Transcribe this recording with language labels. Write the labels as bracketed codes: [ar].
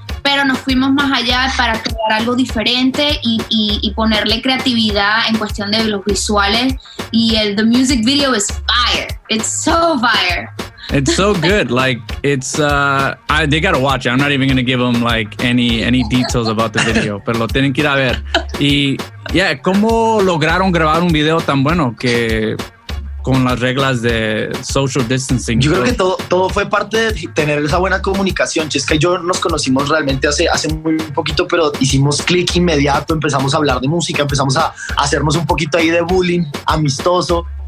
[es] Pero nos fuimos más allá para crear algo diferente y ponerle creatividad en cuestión de los visuales. Y el [en] the music video is fire. It's so fire. It's so good. Like, it's, they gotta watch it. I'm not even gonna give them, like, any details about the video. [es] Pero lo tienen que ir a ver. Y, yeah, ¿cómo lograron grabar un video tan bueno que... con las reglas de social distancing? Yo creo que todo fue parte de tener esa buena comunicación. Chesca y yo nos conocimos realmente hace muy poquito, pero hicimos clic inmediato, empezamos a hablar de música, empezamos a hacernos un poquito ahí de bullying amistoso.